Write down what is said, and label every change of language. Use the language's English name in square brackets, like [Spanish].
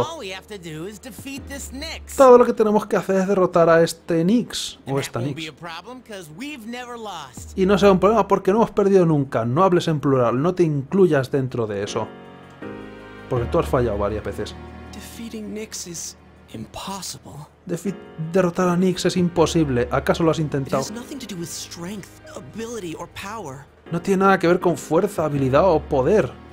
[English] All we have to do is defeat this Nix. [Spanish] Todo lo que tenemos que hacer es derrotar a este Nix o esta Nix. [English] And that won't be a problem, 'cause we've never lost. [Spanish] Y no será un problema porque no hemos perdido nunca. No hables en plural, no te incluyas dentro de eso. Porque tú has fallado varias veces. [English] Defeating Nix is impossible. [Spanish] Derrotar a Nix es imposible. ¿Acaso lo has intentado? [English] It has nothing to do with strength, ability or power. [Spanish] No tiene nada que ver con fuerza, habilidad o poder.